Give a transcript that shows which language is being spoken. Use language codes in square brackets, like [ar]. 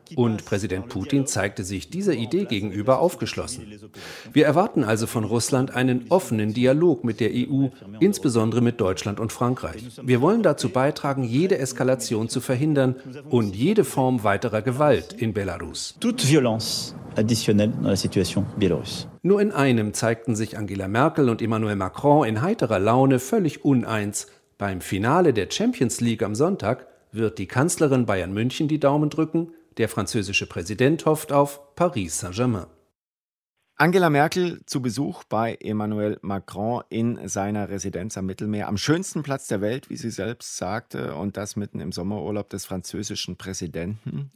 [de] Und Präsident Putin zeigte sich dieser Idee gegenüber aufgeschlossen. Wir erwarten also von Russland einen offenen Dialog mit der EU, insbesondere mit Deutschland und Frankreich. Wir wollen dazu beitragen, jede Eskalation zu verhindern und jede Form weiterer Gewalt in Belarus. [fr] Toute violence additionnelle dans la situation Belarus. [de] Nur in einem zeigten sich Angela Merkel und Emmanuel Macron in heiterer Laune völlig uneins. Beim Finale der Champions League am Sonntag wird die Kanzlerin Bayern München die Daumen drücken. Der französische Präsident hofft auf Paris Saint-Germain. Angela Merkel zu Besuch bei Emmanuel Macron in seiner Residenz am Mittelmeer, am schönsten Platz der Welt, wie sie selbst sagte, und das mitten im Sommerurlaub des französischen Präsidenten.